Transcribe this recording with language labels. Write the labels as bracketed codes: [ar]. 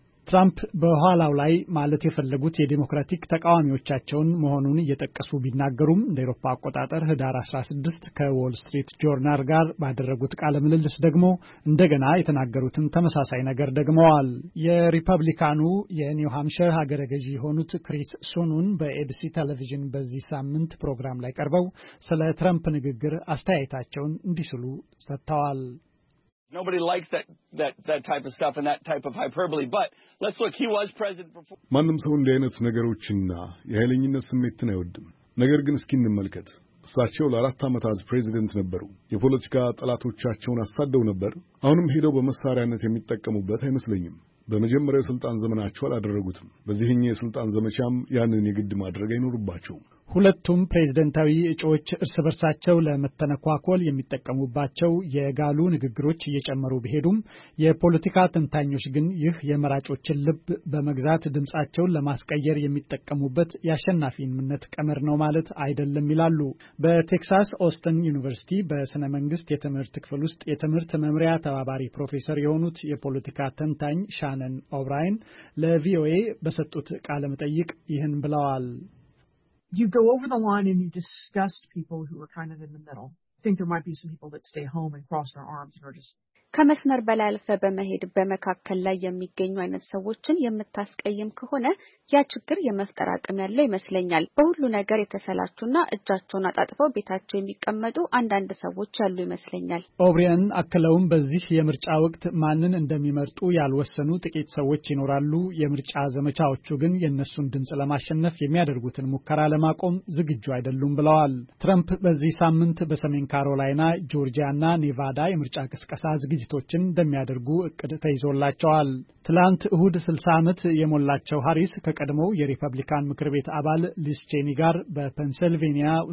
[am] ትራምፕ በኋላው ላይ ማለት የፈለጉት የዲሞክራቲክ ተቃዋሚዎቻቸውን መሆኑን እየጠቀሱ ቢናገሩም እንደ አውሮፓ አቆጣጠር ህዳር 16 ከዎል ስትሪት ጆርናል ጋር ባደረጉት ቃለ ምልልስ ደግሞ እንደገና የተናገሩትን ተመሳሳይ ነገር ደግመዋል። የሪፐብሊካኑ የኒው ሃምሽር ሀገረ ገዢ የሆኑት ክሪስ ሱኑን በኤቢሲ ቴሌቪዥን በዚህ ሳምንት ፕሮግራም ላይ ቀርበው ስለ ትራምፕ ንግግር አስተያየታቸውን እንዲህ ሲሉ ሰጥተዋል። [en] Nobody likes that type of stuff and that type of hyperbole, but let's look, he was president for [am] ማንም ሰው እንደ አይነት ነገሮችና የሃይለኝነት ስሜት አይወድም። ነገር ግን እስኪ እንመልከት። እሳቸው ለአራት አመታት ፕሬዝዳንት ነበሩ። የፖለቲካ ጠላቶቻቸውን አሳደው ነበር። አሁንም ሄደው በመሳሪያነት የሚጠቀሙበት አይመስለኝም። በመጀመሪያው ስልጣን ዘመናቸው አላደረጉትም። በዚህኛው የስልጣን ዘመቻም ያንን የግድ ማድረግ አይኖርባቸውም። ሁለቱም ፕሬዝዳንታዊ እጩዎች እርስ በርሳቸው ለመተነኳኮል የሚጠቀሙባቸው የጋሉ ንግግሮች እየጨመሩ ቢሄዱም የፖለቲካ ተንታኞች ግን ይህ የመራጮችን ልብ በመግዛት ድምጻቸውን ለማስቀየር የሚጠቀሙበት ያሸናፊነት ቀመር ነው ማለት አይደለም ይላሉ። በቴክሳስ ኦስተን ዩኒቨርሲቲ በስነ መንግስት የትምህርት ክፍል ውስጥ የትምህርት መምሪያ ተባባሪ ፕሮፌሰር የሆኑት የፖለቲካ ተንታኝ ሻነን ኦብራይን ለቪኦኤ በሰጡት ቃለ መጠይቅ ይህን ብለዋል። [en] You go over the line and you disgust people who are kind of in the middle. I think there might be some people that stay home and cross their arms and are just [am] ከመስመር በላይ አልፈ በመሄድ በመካከለ ላይ የሚገኙ አይነት ሰዎችን የምታስቀየም ከሆነ ያ ችግር የመፍጠር አቅም ያለው ይመስለኛል። በሁሉ ነገር የተሰላቹና እጃቸውን አጣጥፈው ቤታቸው የሚቀመጡ አንዳንድ ሰዎች አሉ ይመስለኛል። ኦብሪያን አከለውም በዚህ የምርጫ ወቅት ማንን እንደሚመርጡ ያልወሰኑ ጥቂት ሰዎች ይኖራሉ። የምርጫ ዘመቻዎቹ ግን የነሱን ድምጽ ለማሸነፍ የሚያደርጉትን ሙከራ ለማቆም ዝግጁ አይደሉም ብለዋል። ትራምፕ በዚህ ሳምንት በሰሜን ካሮላይና፣ ጆርጂያና ኔቫዳ የምርጫ ቅስቀሳ ግጅቶችን እንደሚያደርጉ እቅድ ተይዞላቸዋል። ትላንት እሁድ 60 ዓመት የሞላቸው ሃሪስ ከቀድሞው የሪፐብሊካን ምክር ቤት አባል ሊስ ቼኒ ጋር በፔንሰልቬኒያ፣